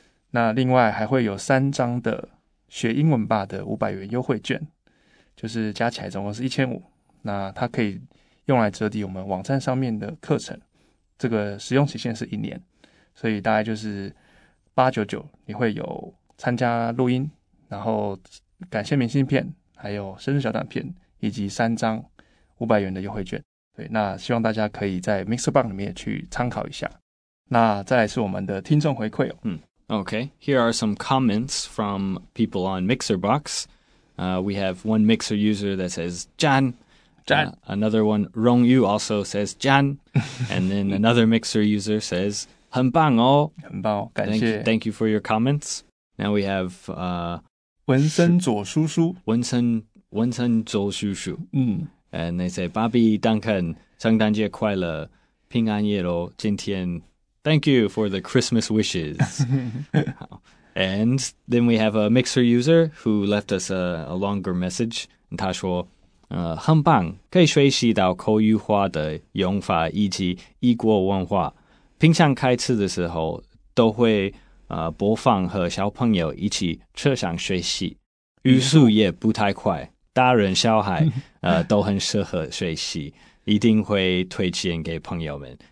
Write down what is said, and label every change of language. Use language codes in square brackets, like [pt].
[zh] 那另外还会有三张的学英文吧的500元优惠券，就是加起来总共是1500，那它可以用来折抵我们网站上面的课程，这个使用期限是一年，所以大概就是899你会有参加录音，然后感谢明信片，还有生日小短片，以及三张500元的优惠券。对，那希望大家可以在 Mixerbox 里面去参考一下。那再来是我们的听众回馈哦。 [en] Okay, here are some comments from people on Mixerbox. We have one Mixer user that says, Jan. Jan. Another one, Rong Yu, also says, Jan. And then another Mixer user says, [zh] 很棒哦。很棒哦，感谢。 [en] Thank you for your comments. Now we have... [zh] 文森佐叔叔。文森佐叔叔。 [en] And they say, [zh] Bobby Duncan, 圣诞节快乐，平安夜咯，今天。 [en] Thank you for the Christmas wishes. And then we have a Mixer user who left us a longer message. [zh] 他说很棒，可以学习到口语化的用法以及异国文化。平常开车的时候都会播放和小朋友一起车上学习。语速也不太快，大人小孩都很适合学习，一定会推荐给朋友们。